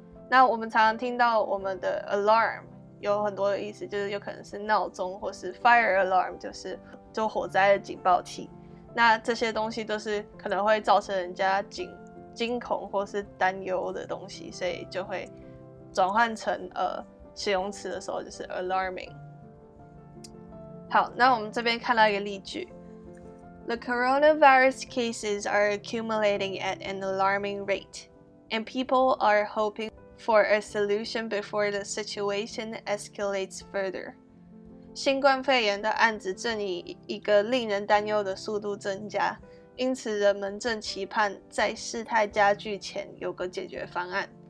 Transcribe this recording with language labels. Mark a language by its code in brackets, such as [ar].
[zh] 那我们常常听到我们的 alarm 有很多的意思，就是有可能是闹钟或是 fire alarm， 就是火灾的警报器。那这些东西都是可能会造成人家惊恐或是担忧的东西，所以就会转换成使用词的时候就是 alarming。 好，那我们这边看到一个例句， [en] The coronavirus cases are accumulating at an alarming rate, and people are hoping for a solution before the situation escalates further. [zh] 新冠肺炎的案子正以一个令人担忧的速度增加，因此人们正期盼在事态加剧前有个解决方案。